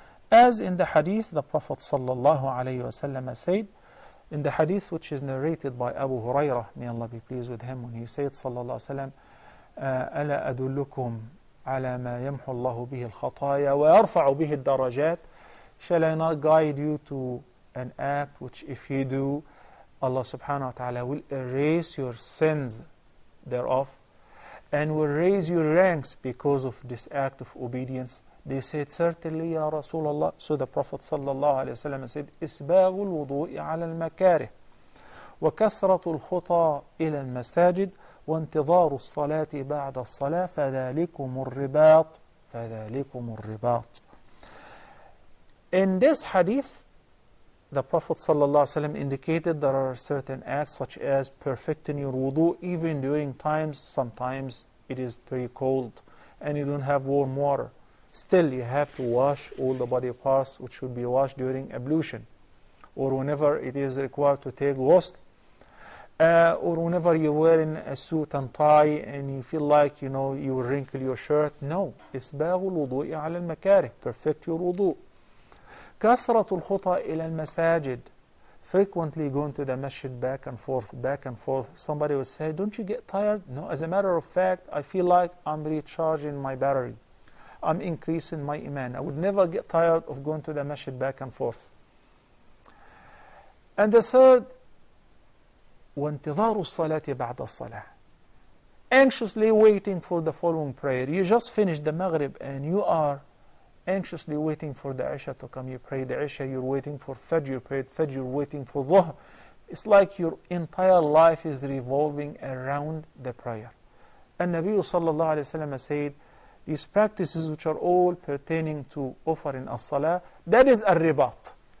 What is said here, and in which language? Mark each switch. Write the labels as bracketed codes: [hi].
[en] As in the hadith, the Prophet sallallahu alayhi wa sallam said, in the hadith which is narrated by Abu Hurairah, may Allah be pleased with him, when he said sallallahu alayhi wa sallam, [ar] ألا أدلكم على ما يمحو الله به الخطايا ويرفع به الدرجات. [en] Shall I not guide you to an act which if you do, Allah subhanahu wa ta'ala will erase your sins thereof and will raise your ranks because of this act of obedience They said, certainly, Ya Rasulullah. So the Prophet sallallahu alayhi wa sallam said, [ar] إسباغ الوضوء على المكاره وكثرة الخطى إلى المساجد وانتظار الصلاة بعد الصلاة فذلكم الرباط [en] فذلكم الرباط. In this hadith, the Prophet sallallahu alayhi wa sallam indicated there are certain acts such as perfecting your wudu even during times, sometimes it is pretty cold and you don't have warm water. Still, you have to wash all the body parts which should be washed during ablution or whenever it is required to take ghusl. Or whenever you're wearing a suit and tie and you feel like, you know, you wrinkle your shirt. No. [ar] إِسْبَاغُ الْوُضُوءِ عَلَى الْمَكَارِهِ. [en] Perfect your wudu. [ar] كَثْرَةُ الْخُطَى إِلَى الْمَسَاجِدِ. [en] Frequently going to the masjid back and forth, back and forth. Somebody will say, don't you get tired? No. As a matter of fact, I feel like I'm recharging my battery. I'm increasing my iman. I would never get tired of going to the masjid back and forth. And the third, [ar] وانتظار الصلاة بعد الصلاة. [en] Anxiously waiting for the following prayer. You just finished the Maghrib and you are anxiously waiting for the Isha to come. You pray the Isha, you're waiting for Fajr, you pray Fajr, you're waiting for Dhuhr. It's like your entire life is revolving around the prayer. And Nabi sallallahu alayhi wa sallam said, these practices which are all pertaining to offering as-salah, that is al-ribat.